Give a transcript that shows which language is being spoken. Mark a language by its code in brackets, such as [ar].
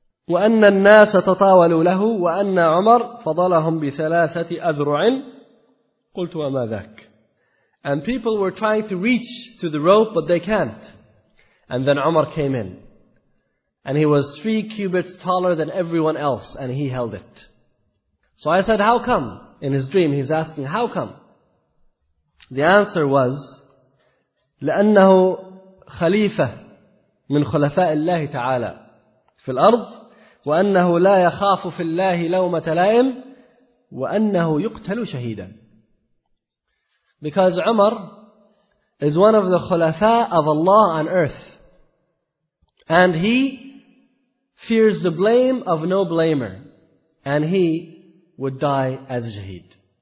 [ar] وَأَنَّ النَّاسَ تَطَاوَلُوا لَهُ وَأَنَّ عُمَرْ فَضَلَهُمْ بِثَلَاثَةِ أَذْرُعٍ قُلْتُ وَمَا ذَاكْ. [en] And people were trying to reach to the rope, but they can't. And then Umar came in. And he was 3 cubits taller than everyone else, and he held it. So I said, how come? In his dream, he's asking, how come? [ar] The answer was, لَأَنَّهُ خَلِيفَةٌ مِنْ خُلَفَاءِ اللَّهِ تَعَالَى فِي الْأَرْضِ وَأَنَّهُ لَا يَخَافُ فِي اللَّهِ لَوْمَةَ لَائِمٍ وَأَنَّهُ يُقْتَلُ شَهِيدًا. [en] Because Umar is one of the khulafa of Allah on earth. And he fears the blame of no blamer. And he would die as a shaheed.